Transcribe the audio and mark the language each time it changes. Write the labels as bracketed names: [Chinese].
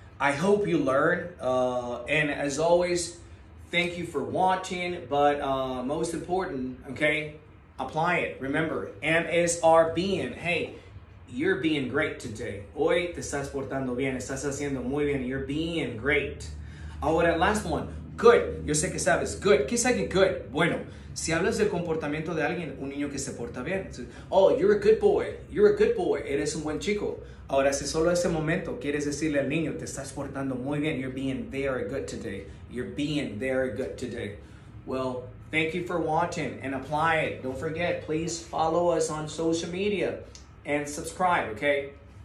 [English] I hope you learn, and as always, thank you for watching, but most important, okay, apply it. Remember, MSR being, hey, you're being great today. [Spanish] Hoy te estás portando bien, estás haciendo muy bien, [English] you're being great. [Spanish] Ahora, [English] last one, [Spanish] good, yo sé que sabes, good, ¿qué es alguien good? Bueno, si hablas del comportamiento de alguien, un niño que se porta bien. [English] Oh, you're a good boy. [Spanish] You're a good boy. Eres un buen chico. Ahora, si solo ese momento quieres decirle al niño, te estás portando muy bien. [English] You're being very good today. You're being very good today. Well, thank you for watching and apply it. Don't forget, please follow us on social media and subscribe, okay?